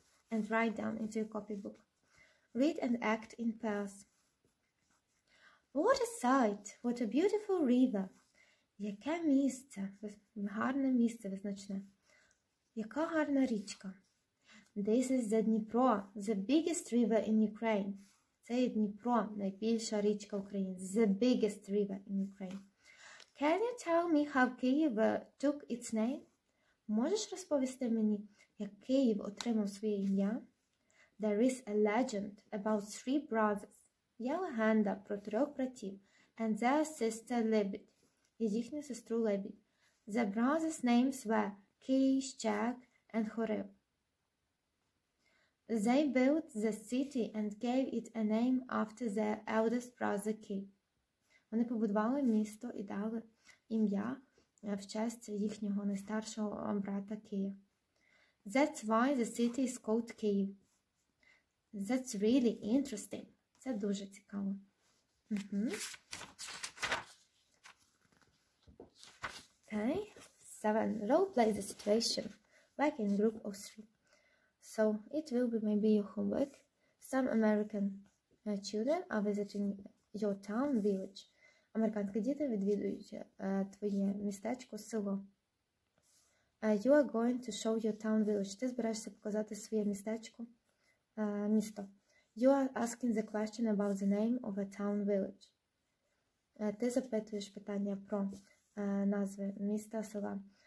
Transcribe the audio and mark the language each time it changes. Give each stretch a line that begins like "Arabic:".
English: And write down into your copybook. Read and act in pairs. What a sight! What a beautiful river!
Ukrainian: Яке місце! Гарне місце визначне. Яка гарна річка!
English: This is the Dnipro, the biggest river in Ukraine.
Ukrainian: Це Дніпро, найбільша річка України.
English: The biggest river in Ukraine. Can you tell me how Kyiv took its name?
Ukrainian: Можеш розповісти мені, як Київ отримав своє ім'я?
English: There is a legend about three brothers.
Ukrainian: Є легенда про трьох братів.
English: And their sister
Ukrainian: Лебідь. І їхню сестру Лебідь.
English: The brothers' names were Кийш, Чак and Хорив. They built the city and gave it a name after their eldest brother Кий.
Ukrainian: Вони побудували місто і дали ім'я в честь їхнього найстаршого брата Кия.
English: That's why the city is called Kyiv. That's really interesting.
Ukrainian: Це дуже цікаво.
English: Okay. 7. Role play the situation. Back in group of 3. So, it will be maybe your homework. Some American children are visiting your town, village.
Ukrainian: Американські діти відвідують твоє містечко, село.
English: You are going to show your town village.
Ukrainian: Ти збираєшся показати своє містечко, місто.
English: You are asking the question about the name of a town village.
Ukrainian: Ти запитуєш питання про назви міста, села.